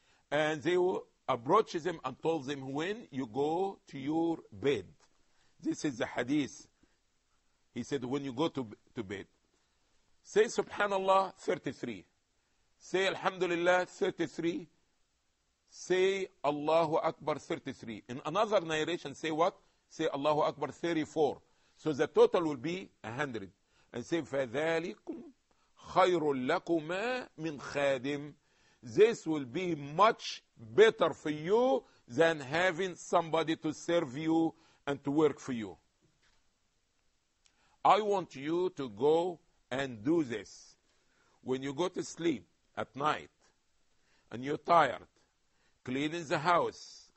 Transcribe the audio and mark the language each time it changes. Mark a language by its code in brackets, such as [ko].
[en] And they approached them and told them, when you go to your bed, this is the hadith. He said, when you go to bed, say subhanallah 33, say alhamdulillah 33, say Allahu Akbar 33. In another narration, say what? Say Allahu Akbar 34. So the total will be 100. And say, [ar] فَذَلِكُمْ خَيْرٌ لَكُمَا مِنْ خَادِمٍ. [en] This will be much better for you than having somebody to serve you and to work for you. I want you to go and do this. When you go to sleep at night and you're tired, cleaning the house.